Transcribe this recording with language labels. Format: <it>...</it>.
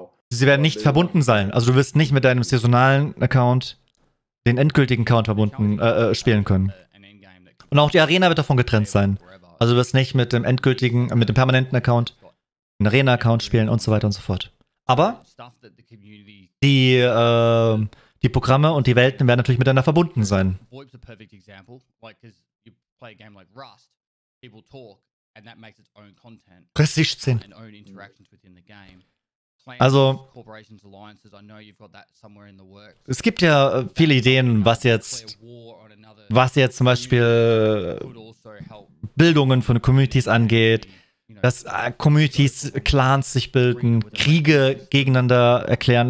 <de>Sie werden nicht verbunden sein. Also du wirst nicht mit deinem saisonalen Account den endgültigen Account verbunden spielen können. Und auch die Arena wird davon getrennt sein. Also du wirst nicht mit dem endgültigen, mit dem permanenten Account den Arena-Account spielen und so weiter und so fort. Aber die Programme und die Welten werden natürlich miteinander verbunden sein.</de> <en>VoIP's a perfect example, like, because you play a game like Rust, people talk, and that makes its own content. And own interactions within the game.</en> <de>Also, es gibt ja viele Ideen, was jetzt zum Beispiel Bildungen von Communities angeht, dass Communities, Clans sich bilden, Kriege gegeneinander erklären.</de>